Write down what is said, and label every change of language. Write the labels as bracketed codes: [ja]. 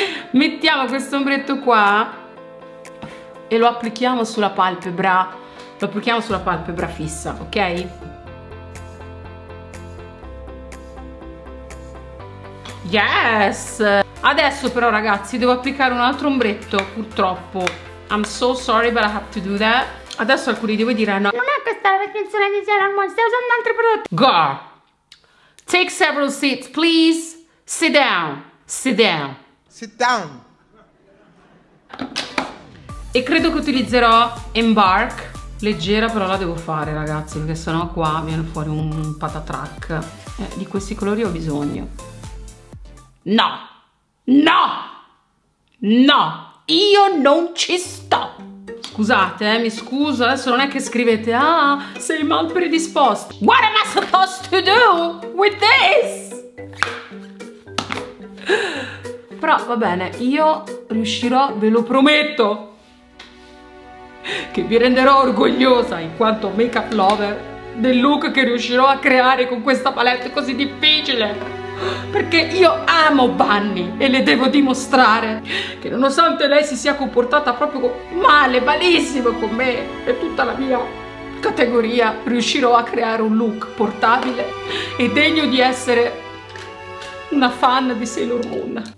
[it] Mettiamo questo ombretto qua e lo applichiamo sulla palpebra. Lo applichiamo sulla palpebra fissa, ok? [en] Yes! [it] Adesso però, ragazzi, devo applicare un altro ombretto, purtroppo. [en] I'm so sorry, but I have to do that. [it] Adesso alcuni di voi diranno: non è questa la recensione di Sailor Moon, stai usando altri prodotti. [en] Girl, take several seats, please. Sit down. Sit down. Sit down. [it] E credo che utilizzerò Embark. Leggera, però la devo fare, ragazzi, perché sennò qua viene fuori un patatrack. Di questi colori ho bisogno. No! No! No! Io non ci sto! Scusate, mi scuso, adesso non è che scrivete: ah, sei mal predisposto. [en] What am I supposed to do with this? [it] Però va bene, io riuscirò, ve lo prometto, che vi renderò orgogliosa in quanto makeup lover del look che riuscirò a creare con questa palette così difficile. Perché io amo Bunny e le devo dimostrare che, nonostante lei si sia comportata proprio male, malissimo con me e tutta la mia categoria, riuscirò a creare un look portabile e degno di essere una fan di Sailor Moon.